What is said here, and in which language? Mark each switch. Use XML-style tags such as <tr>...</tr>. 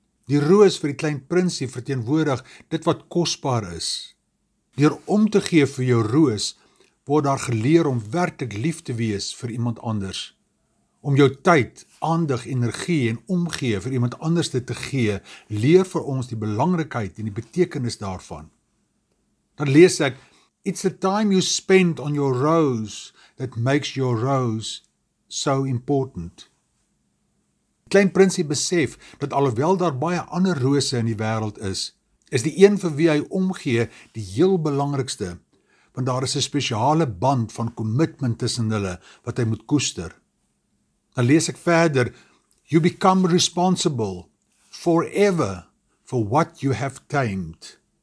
<af>Die roos vir die klein prinsie verteenwoordig dit wat kosbaar is. Deur om te gee vir jou roos, word daar geleer om werklik lief te wees vir iemand anders. Om jou tyd, aandag, energie en omgee vir iemand anders te gee, leer vir ons die belangrikheid en die betekenis daarvan. Dan lees ek,</af> <en>"It's the time you spend on your rose that makes your rose so important."</en> <af>Klein prinsie besef dat alhoewel daar baie ander rose in die wêreld is, is die een vir wie hy omgee die heel belangrikste, want daar is 'n spesiale band van commitment tussen hulle wat hy moet koester. Dan lees ek verder,</af> <en>"You become responsible forever for what you have tamed."</en>